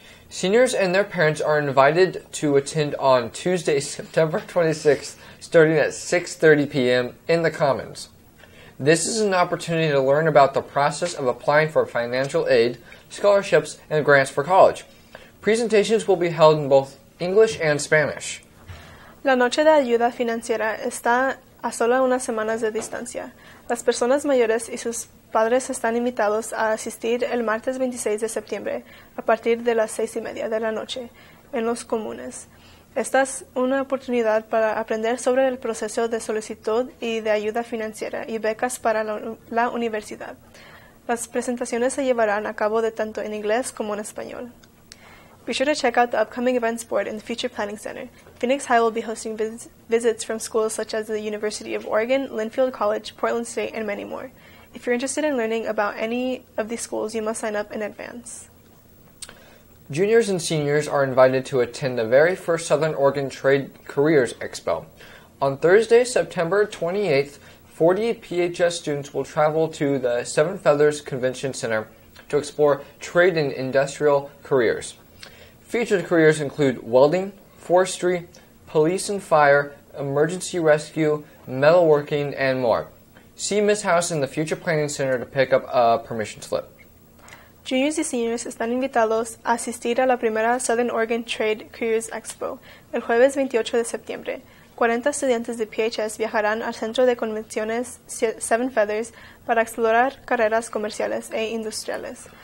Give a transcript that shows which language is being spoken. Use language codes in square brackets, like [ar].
[en] Seniors and their parents are invited to attend on Tuesday, September 26th, starting at 6:30 p.m. in the Commons. This is an opportunity to learn about the process of applying for financial aid, scholarships, and grants for college. Presentations will be held in both English and Spanish. [es] La noche de ayuda financiera está a solo unas semanas de distancia. Las personas mayores y sus padres están invitados a asistir el martes 26 de septiembre a partir de las 6:30 de la noche en los comunes. Esta es una oportunidad para aprender sobre el proceso de solicitud y de ayuda financiera y becas para la universidad. Las presentaciones se llevarán a cabo de tanto en inglés como en español. [en] Be sure to check out the upcoming events board in the Future Planning Center. Phoenix High will be hosting visits from schools such as the University of Oregon, Linfield College, Portland State, and many more. If you're interested in learning about any of these schools, you must sign up in advance. Juniors and seniors are invited to attend the very first Southern Oregon Trade Careers Expo. On Thursday, September 28th, 40 PHS students will travel to the Seven Feathers Convention Center to explore trade and industrial careers. Featured careers include welding, forestry, police and fire, emergency rescue, metalworking, and more. See Ms. House in the Future Planning Center to pick up a permission slip. [es] Juniors y seniors están invitados a asistir a la primera Southern Oregon Trade Careers Expo el jueves 28 de septiembre. 40 estudiantes de PHS viajarán al Centro de Convenciones Seven Feathers para explorar carreras comerciales e industriales.